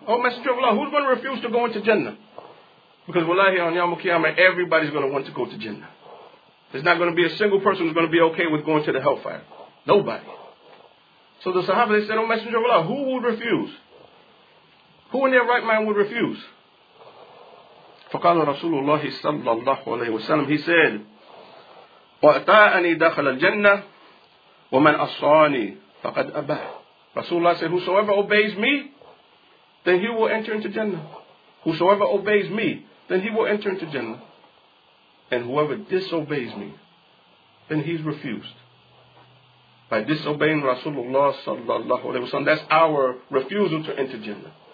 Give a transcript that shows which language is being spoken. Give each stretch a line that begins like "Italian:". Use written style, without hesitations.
English: Oh, Messenger of Allah, who's going to refuse to go into Jannah? Because wallahi, on Yawmul Qiyamah, everybody's going to want to go to Jannah. There's not going to be a single person who's going to be okay with going to the hellfire. Nobody. So the Sahaba, they said, O Messenger of Allah, who would refuse? Who in their right mind would refuse?
Arabic: فقال رسول الله صلى الله عليه وسلم
English: he said
Arabic: وأطاعني دخل الجنة ومن أصاني فقد أبى.
English: رسول الله said whosoever obeys me then he will enter into Jannah. Whosoever obeys me then he will enter into Jannah. And whoever disobeys me then he's refused. By disobeying Rasulullah sallallahu alayhi wa sallam, that's our refusal to enter Jannah.